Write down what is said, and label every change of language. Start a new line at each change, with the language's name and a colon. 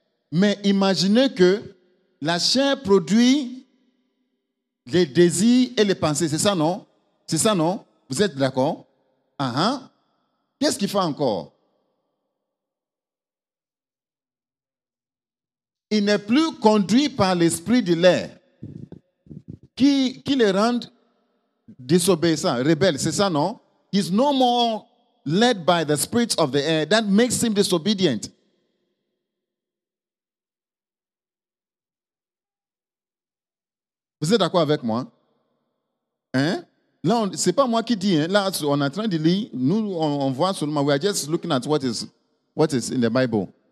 French: Mais imaginez que la chair produit les désirs et les pensées. C'est ça non? C'est ça, non? Vous êtes d'accord? Qu'est-ce qu'il fait encore? Il n'est plus conduit par l'esprit de l'air qui le rend désobéissant, rebelle. C'est ça, non?
English: He's no more led by the spirit of the air that makes him disobedient.
French: Vous êtes d'accord avec moi? Là, on, c'est pas moi qui dis. Hein. Là, on est en train de lire. Nous, on voit seulement.
English: We are just looking at what is in the Bible.